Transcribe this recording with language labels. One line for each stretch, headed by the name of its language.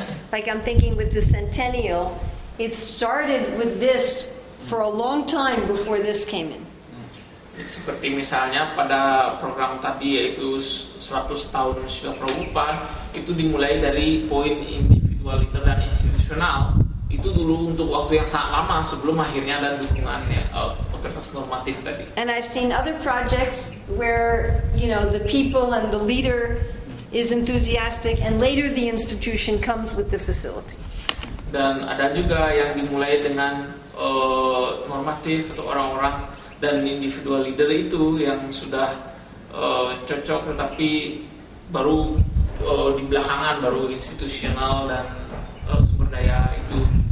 English: Like I'm thinking with the centennial, it started with this for a long time before this came in.
Indonesian: Seperti misalnya pada program tadi yaitu 100 tahun Sila Prabhupada, itu dimulai dari poin individual leader dan institusional. Itu dulu untuk waktu yang sangat lama sebelum akhirnya ada dukungannya otoritas normatif tadi.
English: And I've seen other projects where the people and the leader is enthusiastic and later the institution comes with the facility.
Indonesian: Dan ada juga yang dimulai dengan normatif atau orang-orang dan individual leader itu yang sudah cocok, tetapi baru di belakangan baru institusional dan sumber daya itu.